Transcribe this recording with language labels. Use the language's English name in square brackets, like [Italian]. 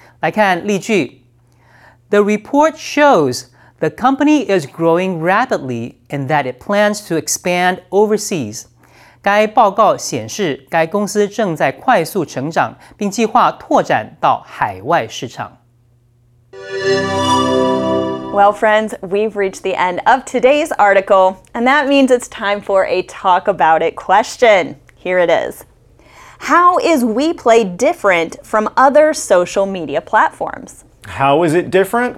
[Chinese] 来看例句 [English] ：The report shows the company is growing rapidly and that it plans to expand overseas。 [Chinese] 该报告显示，该公司正在快速成长，并计划拓展到海外市场。 [English] Well, friends, we've reached the end of today's article, and that means it's time for a talk about it question. Here it is. How is WePlay different from other social media platforms? How is it different?